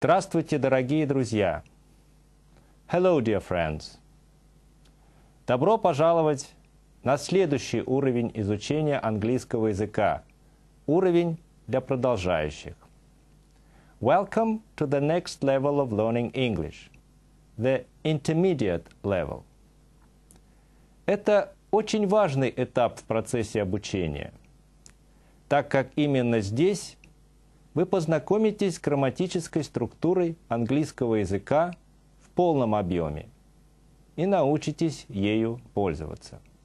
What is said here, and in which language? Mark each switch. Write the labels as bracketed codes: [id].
[ru] Здравствуйте, дорогие друзья! [en] Hello, dear friends! [ru] Добро пожаловать на следующий уровень изучения английского языка. Уровень для продолжающих. [en] Welcome to the next level of learning English. The intermediate level. [ru] Это очень важный этап в процессе обучения, так как именно здесь вы познакомитесь с грамматической структурой английского языка в полном объеме и научитесь ею пользоваться.